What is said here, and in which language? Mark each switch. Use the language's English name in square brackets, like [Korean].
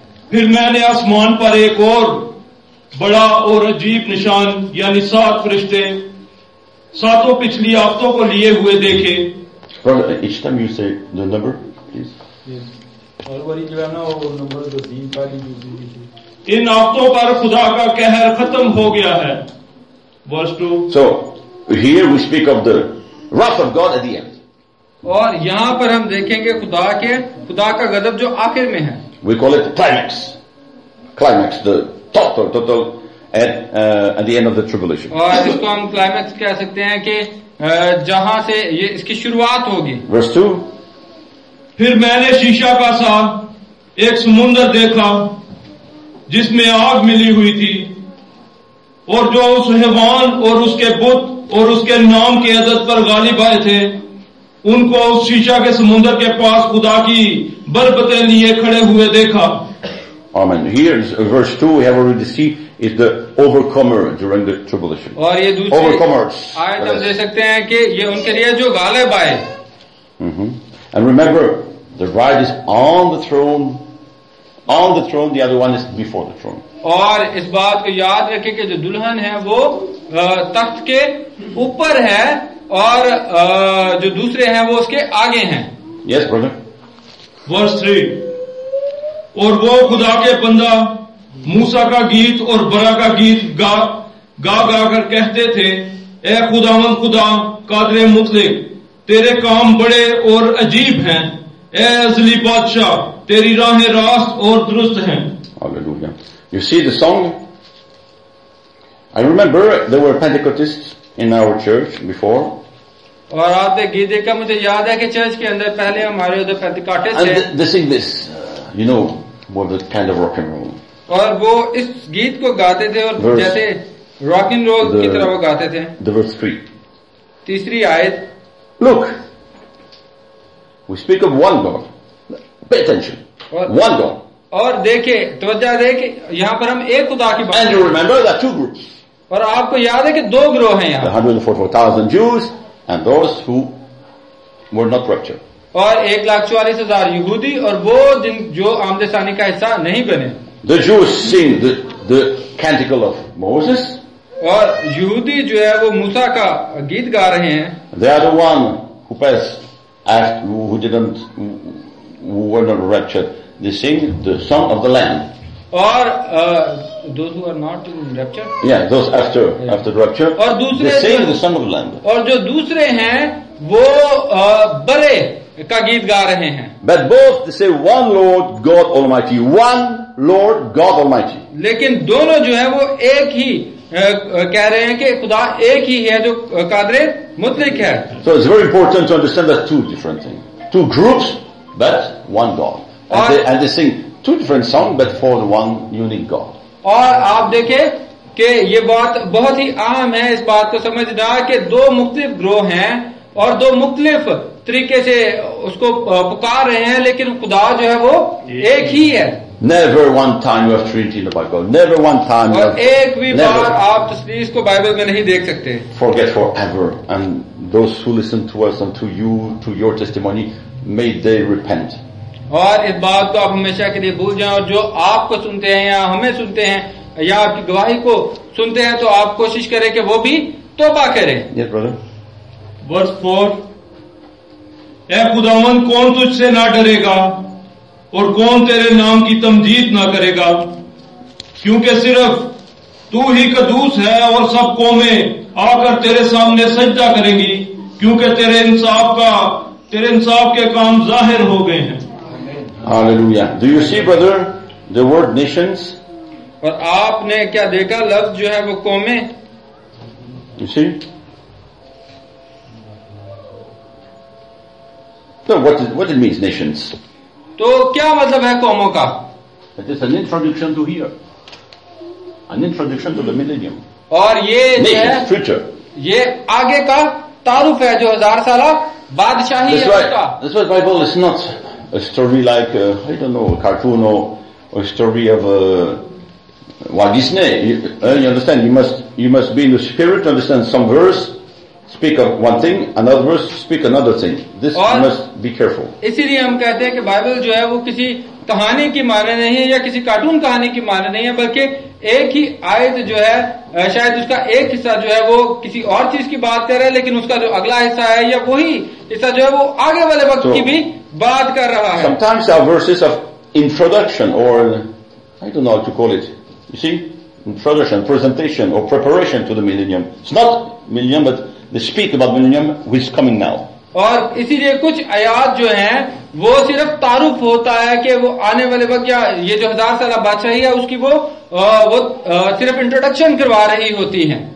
[Hindi] फिर मैंने आसमान पर एक और बड़ा और अजीब निशान यानी 7 फरिश्ते सातों पिछली आफतों को लिए हुए देखे. [English] Each time you say the number, please. [Hindi] इन आफतों पर खुदा का कहर खत्म हो गया है. [English] Verse 2. So here we speak of the wrath of God at the end. [Hindi] और यहाँ पर हम देखेंगे खुदा का गजब जो आखिर में है. [English] We call it climax, the total at the end of the tribulation. [Hindi] और इसको हम climax कह सकते हैं कि जहां से ये इसकी शुरुआत होगी. [English] Verse 2. [Hindi] फिर मैंने शीशा का सा एक समुंदर देखा जिसमें आग मिली हुई थी और जो उस हैवान और उसके बुत और उसके नाम के अदद पर गालिब आए थे उनको उस शीशा के समुंदर के पास खुदा की बरबते लिए खड़े हुए देखा. [English] Amen. Here is verse 2 we have already seen is the overcomer during the tribulation. [Hindi] और ये दूसरे [English] overcomers. [Hindi] आयत हम दे सकते हैं कि ये उनके लिए जो गालिब आए. [English] And remember, the bride is on the throne on the throne, the other one is before the throne. [Hindi] और इस बात को याद रखें कि जो दुल्हन है वो तख्त के ऊपर है और जो दूसरे हैं वो उसके आगे हैं. [English] Yes, brother. Verse 3. [Hindi] और वो खुदा के बंदा मूसा का गीत और बरा का गीत गा गा कर कहते थे, ए खुदावंद खुदा कादरे मुतलिक, तेरे काम बड़े और अजीब हैं, ए अजली बादशाह, तेरी राहें रास्त और दुरुस्त हैं. [English] Hallelujah. You see the song? I remember there were Pentecostists in our church before. [Hindi] और आपने गीत देखा, मुझे याद है कि चर्च के अंदर पहले हमारे उधर पेंटिकॉटिस्ट थे. [English] And they sing this, you know, what the kind of rock and roll. [Hindi] और वो इस गीत को गाते थे और जैसे रॉक एंड रोल की तरह वो गाते थे. [English] The verse 3. [Hindi] तीसरी आयत. [English] Look, we speak of one God. Pay attention. One God. [Hindi] और देखे त्वचा देखे यहाँ पर हम एक खुदा की बात. [English] And you remember the two groups. [Hindi] और आपको याद है कि दो ग्रोह हैं यहाँ. [English] The 144,000 Jews and those who were not raptured. [Hindi] और 144,000 यहूदी और वो जिन जो आमदे सानी का हिस्सा नहीं बने. [English] The Jews sing the canticle of Moses. [Hindi] और यहूदी जो है वो मूसा का गीत गा रहे हैं. [English] They are the one who passed, who didn't, who were not raptured. They sing the song of the Lamb. और those who are not in rapture. Yeah, those after the rapture. [Hindi] और दूसरे [English] they sing the song of the Lamb. [Hindi] और जो दूसरे हैं वो बले का गीत गा रहे हैं. [English] But both they say one Lord God Almighty, one Lord God Almighty. [Hindi] लेकिन दोनों जो है वो एक ही कह रहे हैं कि खुदा एक ही है जो कादरे मुतलिक है. [English] So it's very important to understand that two different things, two groups, but one God. And they sing two different songs, but for the one unique God. [Hindi] और आप देखें कि ये बात बहुत ही आम है इस बात को समझना कि दो मुख्तलिफ ग्रोह हैं और दो मुख्तलिफ तरीके से उसको पुकार रहे हैं लेकिन खुदा जो है वो एक ही है. [English] Never one time you have Trinity in the Bible. Never one time you have. [Hindi] एक भी बार आप तस्लीस को बाइबल में नहीं देख सकते. [English] Forget forever. And those who listen to us and to you, to your testimony, may they repent. [Hindi] और इस बात को आप हमेशा के लिए भूल जाएं और जो आपको सुनते हैं या हमें सुनते हैं या आपकी गवाही को सुनते हैं तो आप कोशिश करें कि वो भी तौबा करें. [English] Yes, brother. Verse 4. [Hindi] ऐ खुदावंद कौन तुझसे ना डरेगा और कौन तेरे नाम की तमजीद ना करेगा, क्योंकि सिर्फ तू ही कदूस है और सब कौमें आकर तेरे सामने सजदा करेंगी, क्योंकि तेरे इंसाफ के काम जाहिर हो गए हैं. [English] Hallelujah. Do you see, brother, the word nations? [Hindi] और आपने क्या देखा लफ्ज जो है वो कौमे. [English] You see? So what it means, nations? [Hindi] तो क्या मतलब है कौमों का. [English] It is an introduction to here. An introduction to the millennium. [Hindi] और ये [English] nations, [Hindi] जो है [English] future. [Hindi] ये आगे का तारुफ है जो हजार साल बादशाही है उसका. [English] This was Bible is not a story like I don't know, a cartoon or a story of Walt Disney. You understand? You must be in the spirit to understand. Some verse speak of one thing, another verse speak another thing. This [Hindi] और [English] you must be careful. [Hindi] इसीलिए हम कहते हैं कि Bible जो है वो किसी कहानी की माने नहीं है या किसी कार्टून कहानी की माने नहीं है, बल्कि एक ही आयत जो है शायद उसका एक हिस्सा जो है वो किसी और चीज की बात कर रहा है लेकिन उसका जो अगला हिस्सा है या वही हिस्सा जो है वो आगे वाले वक्त की भी बात कर रहा है. [English] Sometimes our verses of introduction or I don't know how to call it. You see, introduction, presentation or preparation to the millennium. It's not millennium, but they speak about millennium which is coming now. [Hindi] और इसीलिए कुछ आयात जो हैं वो सिर्फ तारुफ होता है कि वो आने वाले वक्त या ये जो हजार साल बादशाही है उसकी वो सिर्फ इंट्रोडक्शन करवा रही होती है.